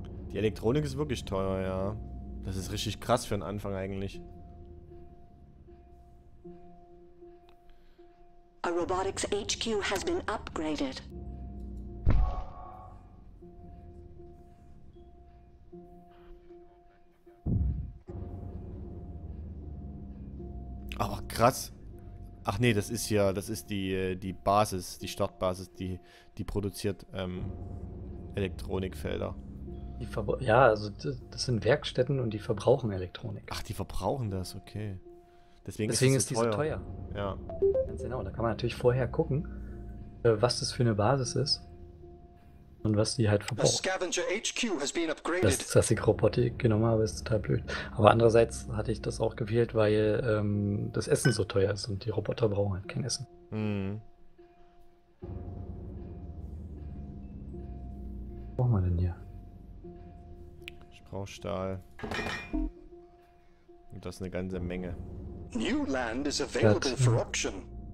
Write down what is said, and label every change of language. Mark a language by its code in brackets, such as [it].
[de] Die Elektronik ist wirklich teuer, ja. Das ist richtig krass für einen Anfang eigentlich. [en] A Robotics HQ has been upgraded. [de] Ach krass. Ach nee, das ist ja, das ist die Basis, die Startbasis, die produziert Elektronikfelder. Ja, also das sind Werkstätten und die verbrauchen Elektronik. Ach, die verbrauchen das, okay. Deswegen ist die so teuer. Ja. Ganz genau. Da kann man natürlich vorher gucken, was das für eine Basis ist. Und was die halt verbraucht. [en] Scavenger HQ has been upgraded. [de] Dass ich Robotik genommen habe, ist total blöd. Aber andererseits hatte ich das auch gewählt, weil das Essen so teuer ist und die Roboter brauchen halt kein Essen. Was brauchen wir denn hier? Ich brauche Stahl. Und das ist eine ganze Menge. [en] New land is available for auction.